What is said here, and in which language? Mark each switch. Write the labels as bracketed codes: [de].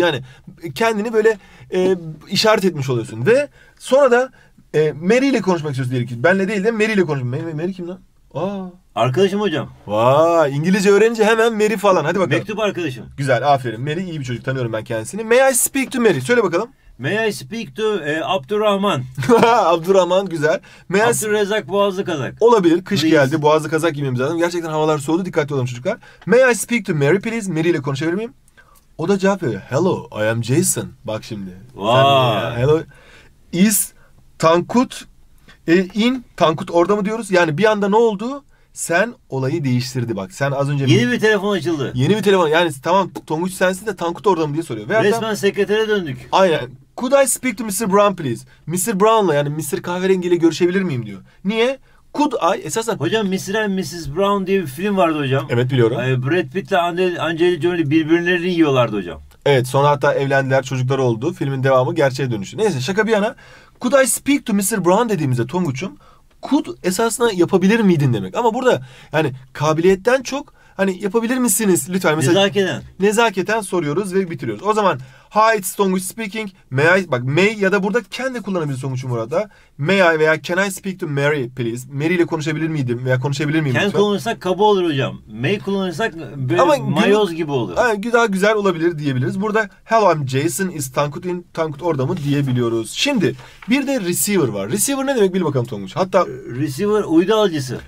[tr] Yani kendini böyle işaret etmiş oluyorsun. Ve sonra da Mary ile konuşmak istiyorsun diyelim ki. Benle değil de Mary ile konuşmak. Mary kim lan? Arkadaşım hocam. Vay, İngilizce öğrenince hemen Mary falan. Hadi bakalım. Mektup arkadaşım. Güzel, aferin. Mary iyi bir çocuk. Tanıyorum ben kendisini. [en] May I speak to Mary? [tr] Söyle bakalım. [en] May I speak to Abdurrahman? [tr] Abdurrahman güzel. Abdurrezak Boğazlı Kazak. Olabilir. Kış [en] please. [tr] Geldi. Boğazlı Kazak giymemiz lazım. Gerçekten havalar soğudu. Dikkatli olalım çocuklar. [en] May I speak to Mary please? [tr] Mary ile konuşabilir miyim? O da cevap veriyor. [en] Hello, I am Jason. [tr] Bak şimdi. Vay. [en] Hello. Is Tankut in [tr] Tankut orada mı diyoruz? Yani bir anda ne oldu? Sen olayı değiştirdi bak. Sen az önce... Yeni bir telefon açıldı. Yeni bir telefon. Yani tamam Tonguç sensin de Tankut orada mı diye soruyor. Ve resmen adam, sekretere döndük. Aynen. [en] Could I speak to Mr. Brown please? [tr] Mr. Brown'la yani Mr. Kahverengi ile görüşebilir miyim diyor. Niye? [en] Could I? [tr] Esasen... Hocam Mr. and Mrs. Brown diye bir film vardı hocam. Evet biliyorum. Brad Pitt ile Angelina Jolie birbirlerini yiyorlardı hocam. Evet sonra hatta evlendiler çocuklar oldu. Filmin devamı gerçeğe dönüştü. Neyse şaka bir yana. [en] Could I speak to Mr. Brown [tr] dediğimizde Tonguç'um... Could esasında yapabilir miydin demek. Ama burada yani kabiliyetten çok hani yapabilir misiniz lütfen. Mesela, nezaketen. Nezaketen soruyoruz ve bitiriyoruz. O zaman [en] hi it's Tonguç speaking. [tr] May I, bak may ya da burada can de kullanabilirsin Tonguç'um burada. [en] May I [tr] veya [en] can I speak to Mary please? [tr] Mary ile konuşabilir miydim veya konuşabilir miyim? Can kullanırsak kaba olur hocam. May kullanırsak ama mayoz gibi olur. Yani daha güzel olabilir diyebiliriz. Burada [en] hello I'm Jason is Tankut in [tr] Tankut orada mı diyebiliyoruz. Şimdi bir de receiver var. Receiver ne demek bil bakalım Tonguç. Hatta receiver uydu alıcısı.